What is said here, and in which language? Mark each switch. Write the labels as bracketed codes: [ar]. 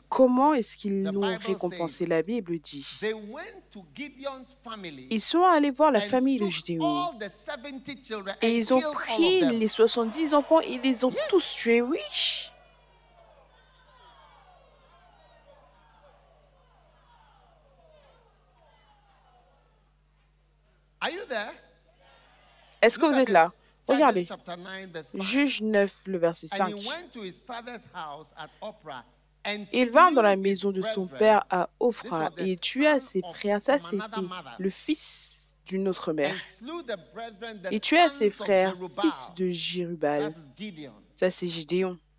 [fr] Comment est-ce qu'ils l'ont récompensé? La Bible dit. [en] They went to Gideon's family. [fr] Ils sont allés voir la famille de Gédéon. Et ils ont pris les 70 enfants et les ont tous tués. Oui. [en] Are you there? [fr] Est-ce que vous êtes là? Regardez. Juge 9, le verset 5. [en] And he went to his father's house at Ophrah, and [fr] il vint dans la maison de son père à Ophra et tua ses frères. Ça, c'était le fils d'une autre mère. Il tua ses frères, fils de Jérubal. Ça, c'est Gédéon.